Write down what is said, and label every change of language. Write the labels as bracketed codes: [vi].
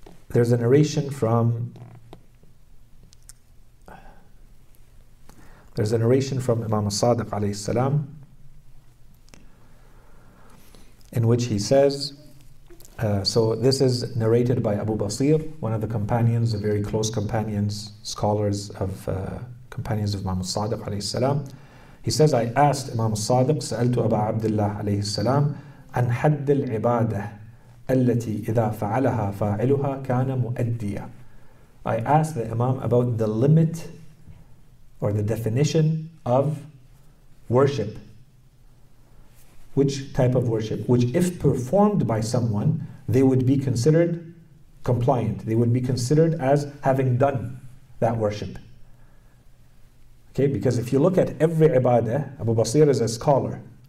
[en] There's a narration from Imam Sadiq alayhi salam, in which he says, so this is narrated by Abu Basir, one of the companions, the very close companions, scholars of companions of Imam Sadiq alayhi salam. He says, I asked Imam Sadiq, [ar] سألت أبا عبد الله عليه السلام عن حد العبادة التي إذا فعلها فاعلها كان مؤديا. [en] I asked the Imam about the limit or the definition of worship. Which type of worship? Which if performed by someone, they would be considered compliant. They would be considered as having done that worship. Okay, because if you look at every ibadah, Abu Basir is a scholar.